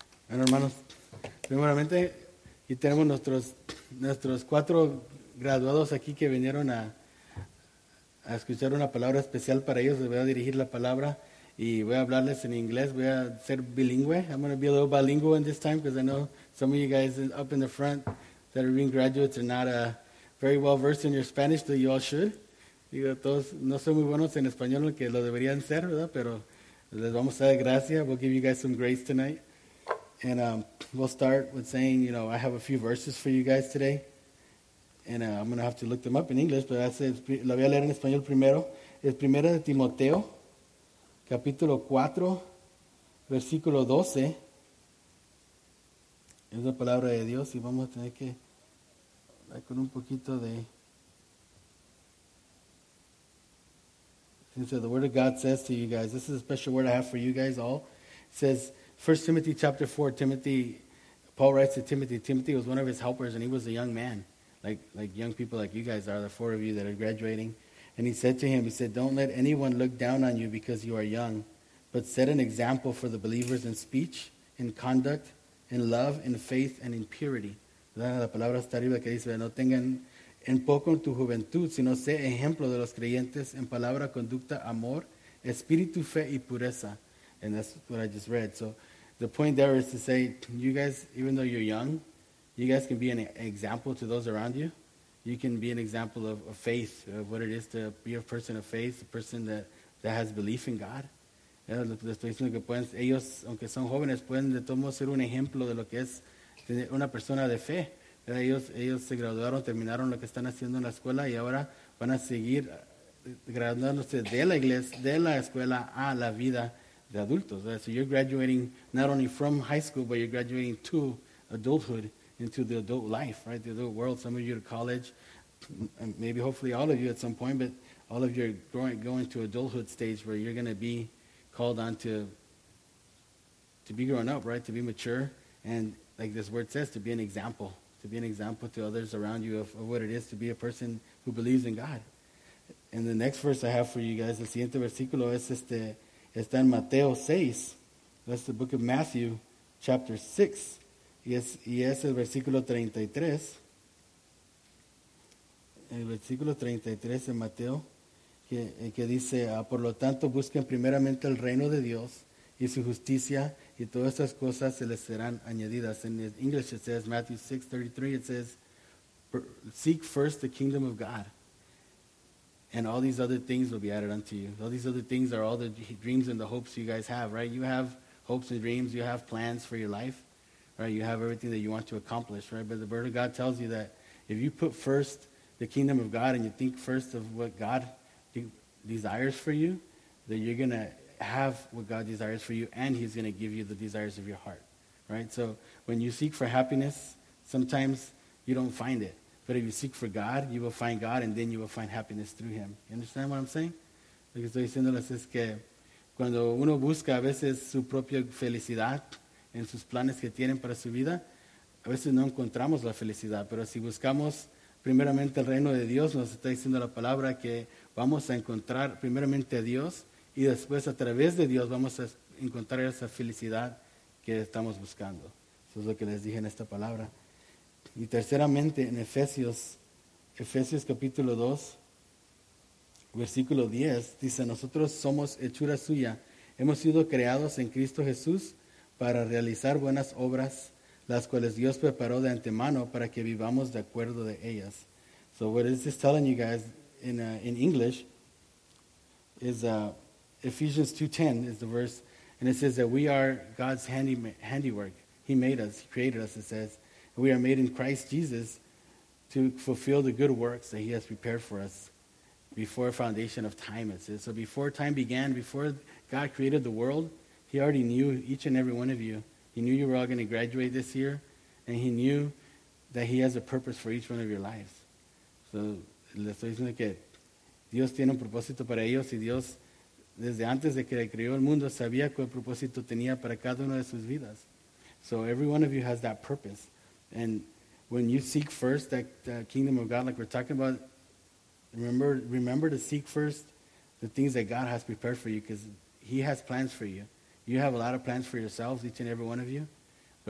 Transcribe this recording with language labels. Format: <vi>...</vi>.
<es>Bueno, hermanos, primeramente, y tenemos nuestros cuatro graduados aquí que vinieron a escuchar una palabra especial para ellos. Les voy a dirigir la palabra y voy a hablarles en inglés. Voy a ser bilingüe.</es> <en>I'm going to be a little bilingual in this time because I know some of you guys up in the front that are being graduates are not very well versed in your Spanish, though you all should.</en> <es>Digo, todos no son muy buenos en español, que lo deberían ser, ¿verdad? Pero les vamos a dar gracias.</es> <en>We'll give you guys some grace tonight. And we'll start with saying, you know, I have a few verses for you guys today. And I'm going to have to look them up in English, but that's it.</en> <es>La voy a leer en español primero. Es Primera de Timoteo, capítulo 4, versículo 12. Es la palabra de Dios y vamos a tener que hablar con un poquito de...</es> <en>And so the word of God says to you guys, this is a special word I have for you guys all. It says... 1 Timothy chapter 4, Timothy, Paul writes to Timothy. Timothy was one of his helpers, and he was a young man, like young people like you guys are, the four of you that are graduating. And he said to him, he said, don't let anyone look down on you because you are young, but set an example for the believers in speech, in conduct, in love, in faith, and in purity.</en> <es>La palabra está arriba que dice, no tengan en poco tu juventud, sino sé ejemplo de los creyentes en palabra, conducta, amor, espíritu, fe, y pureza.</es> <en>And that's what I just read. So the point there is to say, you guys, even though you're young, you guys can be an example to those around you. You can be an example of faith, of what it is to be a person of faith, a person that has belief in God.</en> <es>Les estoy diciendo que pueden, ellos, aunque son jóvenes, pueden de todo modo ser un ejemplo de lo que es tener una persona de fe. Ellos se graduaron, terminaron lo que están haciendo en la escuela y ahora van a seguir graduándose de la iglesia, de la escuela a la vida de adultos.</es> <en>So you're graduating not only from high school, but you're graduating to adulthood, into the adult life, right? The adult world. Some of you to college, and maybe hopefully all of you at some point, but all of you are going to adulthood stage where you're going to be called on to be grown up, right? To be mature. And like this word says, to be an example to others around you of what it is to be a person who believes in God. And the next verse I have for you guys,</en> <es>el siguiente versículo es este, está en Mateo 6,</es> <en>that's the book of Matthew, chapter 6,</en> <es>y es el versículo 33, el versículo 33 en Mateo, que dice, por lo tanto, busquen primeramente el reino de Dios y su justicia, y todas estas cosas se les serán añadidas.</es> <en>In English it says, Matthew 6, 33, it says, seek first the kingdom of God. And all these other things will be added unto you. All these other things are all the dreams and the hopes you guys have, right? You have hopes and dreams. You have plans for your life, right? You have everything that you want to accomplish, right? But the word of God tells you that if you put first the kingdom of God and you think first of what God desires for you, that you're going to have what God desires for you and he's going to give you the desires of your heart, right? So when you seek for happiness, sometimes you don't find it. But if you seek for God, you will find God, and then you will find happiness through him. You understand what I'm saying?</en> <es>Lo que estoy diciéndoles es que cuando uno busca a veces su propia felicidad en sus planes que tienen para su vida, a veces no encontramos la felicidad. Pero si buscamos primeramente el reino de Dios, nos está diciendo la palabra que vamos a encontrar primeramente a Dios, y después a través de Dios vamos a encontrar esa felicidad que estamos buscando. Eso es lo que les dije en esta palabra. Y terceramente en Efesios capítulo 2, versículo 10, dice, nosotros somos hechura suya, hemos sido creados en Cristo Jesús para realizar buenas obras, las cuales Dios preparó de antemano para que vivamos de acuerdo de ellas.</es> <en>So what this is telling you guys in English is Ephesians 2:10 is the verse, and it says that we are God's handiwork. He made us, he created us, it says. We are made in Christ Jesus to fulfill the good works that he has prepared for us before foundation of time, it says. So before time began, before God created the world, he already knew each and every one of you. He knew you were all going to graduate this year, and he knew that he has a purpose for each one of your lives.</en> <es>So le estoy diciendo que Dios tiene un propósito para ellos, y Dios, desde antes de que creó el mundo, sabía cuál propósito tenía para cada uno de sus vidas.</es> <en>So every one of you has that purpose. And when you seek first that kingdom of God, like we're talking about, remember to seek first the things that God has prepared for you, because he has plans for you. You have a lot of plans for yourselves, each and every one of you. But</en>